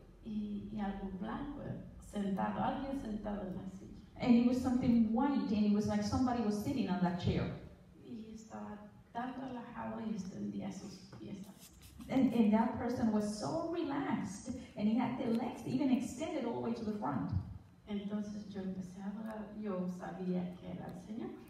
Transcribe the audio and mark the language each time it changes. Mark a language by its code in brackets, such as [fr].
[es] Y algo blanco, sentado, alguien sentado en la silla. [en] And it was something white, and it was like somebody was sitting on that chair. [es] Y estaba dando la jala y extendía sus pies. [en] And that person was so relaxed, and he had the legs even extended all the way to the front. [es] Entonces yo empecé a hablar, yo sabía que era el Señor.